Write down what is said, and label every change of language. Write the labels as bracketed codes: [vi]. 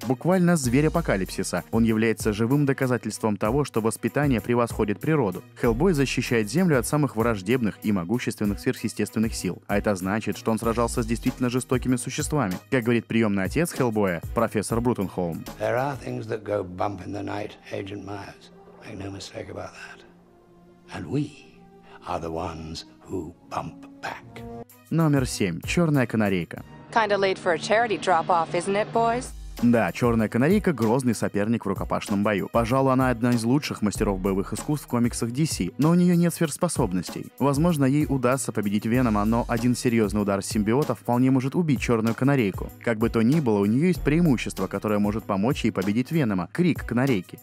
[ru] Буквально зверь апокалипсиса. Он является живым доказательством того, что воспитание превосходит природу. Хеллбой защищает Землю от самых враждебных и могущественных сверхъестественных сил. А это значит, что он сражался с действительно жестокими существами. Как говорит приемный отец Хеллбоя, профессор Брутенхолм. [en] There are things that go bump in the night, Agent Myers. Make no mistake about that. And we are the ones who bump back. [ru] Номер 7. Черная канарейка. [en] Kinda late for a charity drop-off, isn't it, boys? [ru] Да, Черная Канарейка — грозный соперник в рукопашном бою. Пожалуй, она одна из лучших мастеров боевых искусств в комиксах DC, но у нее нет сверхспособностей. Возможно, ей удастся победить Венома, но один серьезный удар симбиота вполне может убить Черную Канарейку. Как бы то ни было, у нее есть преимущество, которое может помочь ей победить Венома — крик Канарейки.